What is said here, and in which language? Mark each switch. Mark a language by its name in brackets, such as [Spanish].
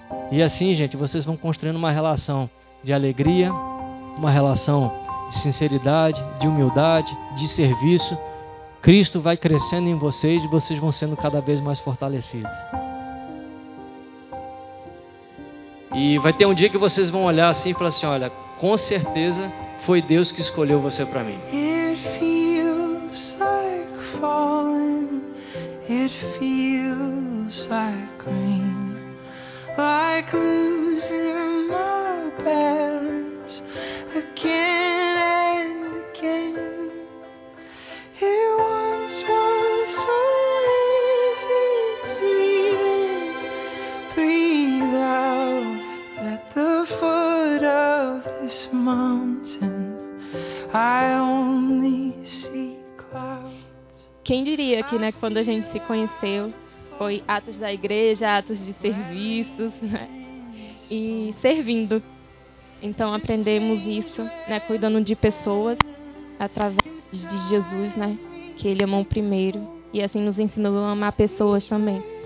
[Portuguese] E assim, gente, vocês vão construindo uma relação de alegria, uma relação de sinceridade, de humildade, de serviço. Cristo vai crescendo em vocês e vocês vão sendo cada vez mais fortalecidos. E vai ter um dia que vocês vão olhar assim e falar assim: olha, com certeza foi Deus que escolheu você para mim. [English] It feels like falling, it feels like rain, like losing my balance again and again. It once was so easy, breathing, breathe out at the foot of this mountain. I only see clouds. [Portuguese] Quem diria que, né, quando a gente se conheceu, foi atos da igreja, atos de serviços, né? E servindo. Então aprendemos isso, né, cuidando de pessoas através de Jesus, né, que ele amou primeiro, e assim nos ensinou a amar pessoas também.